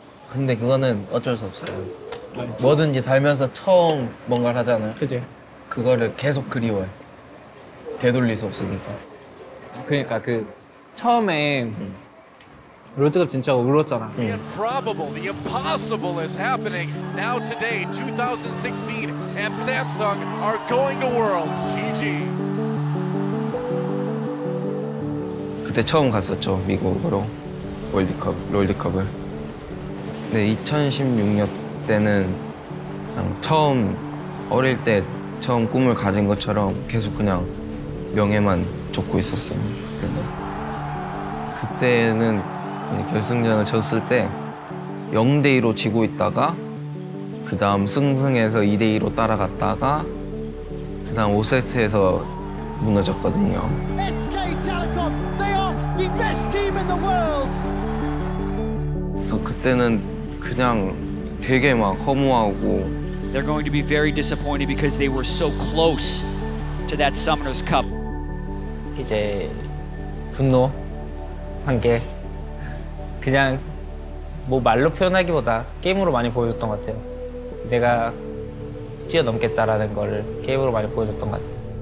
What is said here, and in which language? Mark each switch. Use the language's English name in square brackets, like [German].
[Korean] 근데 그거는 어쩔 수 없어요. 뭐든지 살면서 처음 뭔가를 하잖아요. 그치. 그거를 계속 그리워해. 되돌릴 수 없으니까. 그러니까 그 처음에 롤드컵 진짜 울었잖아. [English] The improbable, the impossible is happening now today, 2016, and Samsung are going to Worlds. GG. [Korean] 그때 처음 갔었죠, 미국으로. 롤드컵을. 근데 2016년 때는 그냥 처음, 어릴 때 처음 꿈을 가진 것처럼 계속 그냥 명예만 쫓고 있었어요. 그래서 그때는 결승전을 쳤을 때 0대2로 지고 있다가 그 다음 승승해서 2대2로 따라갔다가 그 다음 5세트에서 무너졌거든요. SK텔레콤! [English] The best team in the world. [Korean] 그래서 그때는 그냥 되게 막 허무하고. [English] They're going to be very disappointed because they were so close to that Summoner's Cup. [Korean] 이제 분노 한 게 그냥 뭐 말로 표현하기보다 게임으로 많이 보여줬던 것 같아요. 내가 뛰어넘겠다라는 걸 게임으로 많이 보여줬던 것 같아요.